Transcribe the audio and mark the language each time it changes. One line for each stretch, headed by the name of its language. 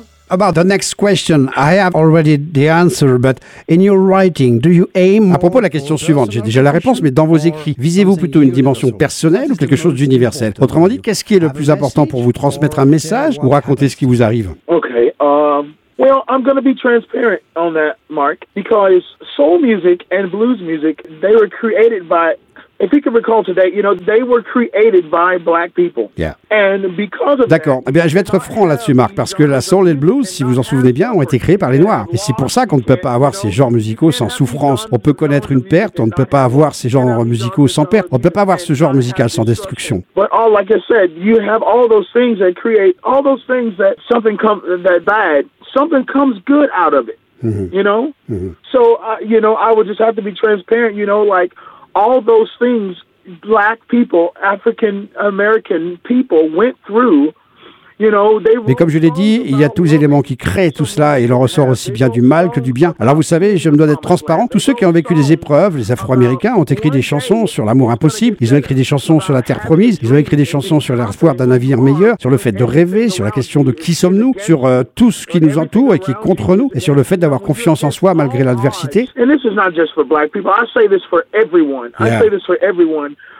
English: About the next question, I have already the answer, but in your writing, do you aim...
French: À propos de la question suivante, j'ai déjà la réponse, mais dans vos écrits, visez-vous plutôt une dimension personnelle ou quelque chose d'universel? Autrement dit, qu'est-ce qui est le plus important pour vous, transmettre un message ou raconter ce qui vous arrive?
English: Okay, well, I'm going to be transparent on that, Mark, because soul music and blues music, they were created by... If you can recall today, you know, they were created by black people. Yeah. And because of
French: D'accord.
English: That,
French: eh bien, je vais être franc là-dessus, Marc, parce que la soul et le blues, si vous en souvenez bien, ont été créés par les Noirs. Et c'est pour ça qu'on ne peut pas avoir ces genres musicaux sans souffrance. On peut connaître une perte, on ne peut pas avoir ces genres musicaux sans perte. On ne peut pas avoir ce genre musical sans destruction.
English: But all, like I said, you have all those things that create, all those things that something comes, that bad, something comes good out of it, you know? So, you know, I would just have to be transparent, you know, like... All those things, black people, African American people went through.
French: Mais comme je l'ai dit, il y a tous les éléments qui créent tout cela et l'on ressort aussi bien du mal que du bien. Alors vous savez, je me dois d'être transparent. Tous ceux qui ont vécu des épreuves, les Afro-Américains, ont écrit des chansons sur l'amour impossible. Ils ont écrit des chansons sur la terre promise. Ils ont écrit des chansons sur l'espoir d'un avenir meilleur, sur le fait de rêver, sur la question de qui sommes-nous, sur tout ce qui nous entoure et qui est contre nous, et sur le fait d'avoir confiance en soi malgré l'adversité.
English: And this is not just for black people. I say this for everyone. Yeah. I say this for everyone.